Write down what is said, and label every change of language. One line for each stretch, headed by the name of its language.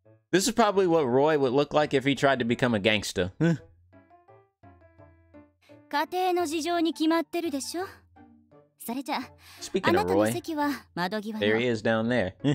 English: This is probably what Roy would look like if he tried to become a gangster.
Japanese: 家庭の事情に決まってるでしょ? それじゃ、
English: Speaking of Roy, there he is down there.